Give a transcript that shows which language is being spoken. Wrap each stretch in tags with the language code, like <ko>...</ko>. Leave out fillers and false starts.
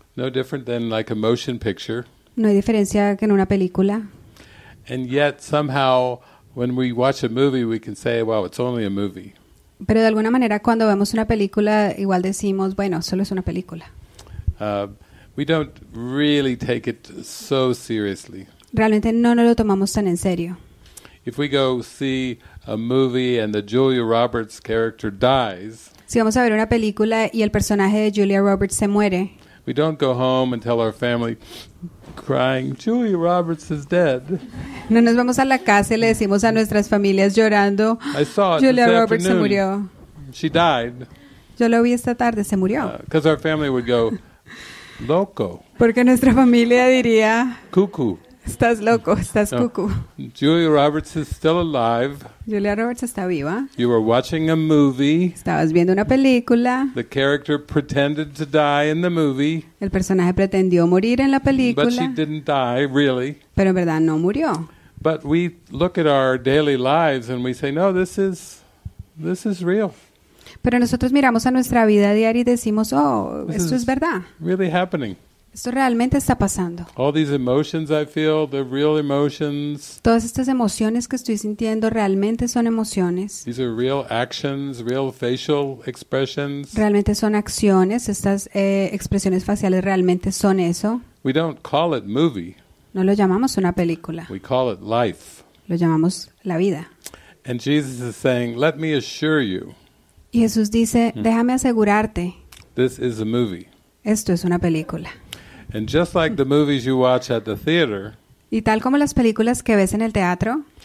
<en>No different than like a motion picture.</en> <es>No hay diferencia que en una película.</es> <en>And yet somehow when we watch a movie we can say, well, it's only a movie.</en> <es>Pero de alguna manera cuando vemos una película igual decimos, bueno, solo es una película.</es> <en>We don't really take it so seriously.</en> <es>Realmente no nos lo tomamos tan en serio.</es> <en>If we go see a movie and the Julia Roberts character dies,</en> <es>si vamos a ver una película y el personaje de Julia Roberts se muere,</es> <en>we don't go home and tell our family crying, Julia Roberts is dead.</en> <es>No nos vamos a la casa y le decimos a nuestras familias llorando,</es> <en>I saw it Julia this Roberts afternoon.</en> <es>Se murió.</es> <en>She died.</en> <es>Yo lo vi esta tarde, se murió.</es> <en>Because our family would go loco.</en> <es>Porque nuestra familia diría</es> <en>cuckoo.</en> <es>Estás loco, estás cuckoo.</es> <en>Julia Roberts is still alive.</en> <es>Julia Roberts está viva.</es> <en>You were watching a movie.</en> <es>Estabas viendo una película.</es> <en>The character pretended to die in the movie.</en> <es>El personaje pretendió morir en la película.</es> <en>But she didn't die, really.</en> <es>Pero en verdad no murió.</es> <en>But we look at our daily lives and we say, no, this is real.</en> <es>Pero nosotros miramos a nuestra vida diaria y decimos, oh, esto es verdad.</es> <en>Really happening.</en> <es>Esto realmente está pasando.</es> <en>All these emotions I feel, they're real emotions.</en> <es>Todas estas emociones que estoy sintiendo realmente son emociones.</es> <en>These are real actions, real facial expressions.</en> <es>Realmente son acciones, estas expresiones faciales realmente son eso.</es> <en>We don't call it movie.</en> <es>No lo llamamos una película.</es> <en>We call it life.</en> <es>Lo llamamos la vida.</es> <en>And Jesus is saying, let me assure you.</en> <es>Y Jesús dice, déjame asegurarte.</es> <en>This is a movie.</en> <es>Esto es una película.</es> <en>And just like the movies you watch at the theater,</en> <es>y tal como las películas que ves en el teatro,</es>